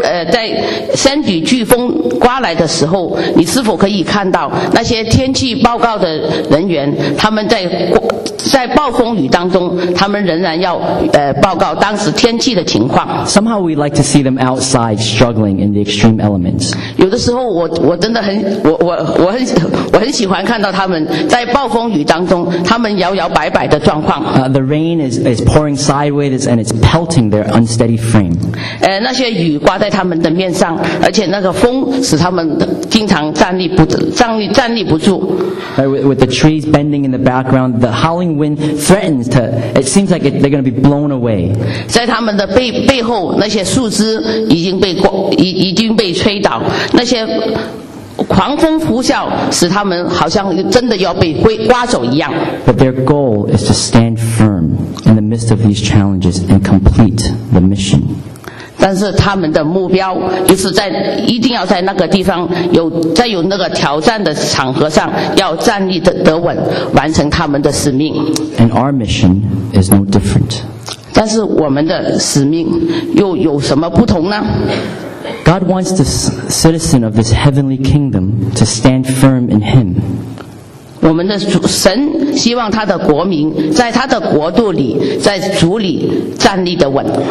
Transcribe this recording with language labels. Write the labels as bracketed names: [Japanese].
[Chinese] 在 Sandy 飓风刮来的时候，你是否可以看到那些天气报告的人员，他们在暴风雨当中，他们仍然要报告当时天气的情况。 [English] Somehow we like to see them outside struggling in the extreme elements. [Chinese] 有的时候我真的很我很喜欢看到他们在暴风雨当中，他们摇摇摆摆的状况。 [English] The rain is pouring sideways and it's pelting their unsteady frame. [Chinese] 那些雨刮在他们的面上，而且那个风使他们经常站立不住。 [English] With the trees bending in the background, the howling wind threatens to. It seems like they're going to be blown away. [Chinese] 在他们的背后，那些树枝已经被吹倒，那些。狂风呼啸，使他们好像真的要被刮走一样。 [English] But their goal is to stand firm in the midst of these challenges and complete the mission. [Chinese] 但是他们的目标就是在一定要在那个地方有那个挑战的场合上要站立得稳，完成他们的使命。 [English] And our mission is no different. [Chinese] 但是我们的使命又有什么不同呢？ [English] God wants the citizen of this heavenly kingdom to stand firm in Him. [Chinese] 我们的主神希望他的国民在他的国度里，在主里站立得稳。